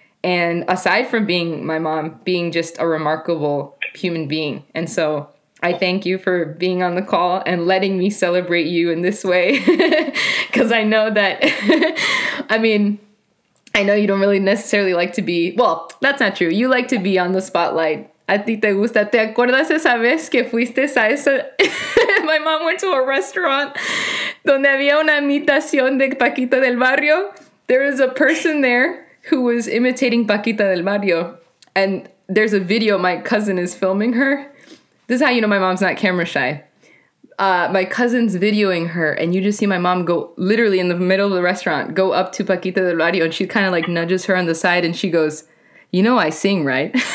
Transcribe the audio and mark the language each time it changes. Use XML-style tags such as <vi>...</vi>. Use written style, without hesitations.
<en>And aside from being my mom, being just a remarkable human being. And so I thank you for being on the call and letting me celebrate you in this way. Because I know that, I mean, I know you don't really necessarily like to be, well, that's not true. You like to be on the spotlight.</en> <es>A ti te gusta, te acuerdas esa vez que fuiste a esa,</es> <en>my mom went to a restaurant</en> <es>donde había una imitación de Paquita del Barrio.</es> <en>There was a person there who was imitating Paquita del Barrio. And there's a video, my cousin is filming her. This is how you know my mom's not camera shy. My cousin's videoing her, and you just see my mom go literally in the middle of the restaurant, go up to Paquita del Barrio, and she kind of like nudges her on the side, and she goes, you know I sing, right?</en>